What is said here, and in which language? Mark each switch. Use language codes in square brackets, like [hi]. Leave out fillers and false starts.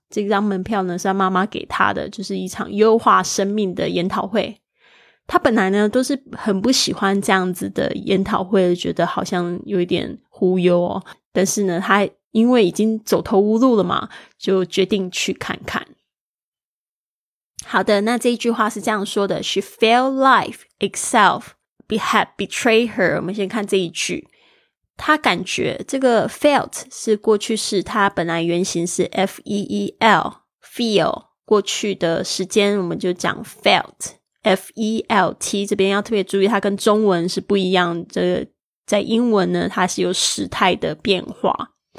[zh] 这张门票呢，是她妈妈给她的，就是一场优化生命的研讨会。他本来呢都是很不喜欢这样子的研讨会，觉得好像有一点忽悠哦。但是呢，他因为已经走投无路了嘛，就决定去看看。好的，那这一句话是这样说的 [en] She felt life itself had betrayed her。 [zh] 我们先看这一句，他感觉这个 felt 是过去式，他本来原型是 F-E-E-L feel， 过去的时间我们就讲 feltFELT， 这边要特别注意它跟中文是不一样，这个在英文呢它是有时态的变化。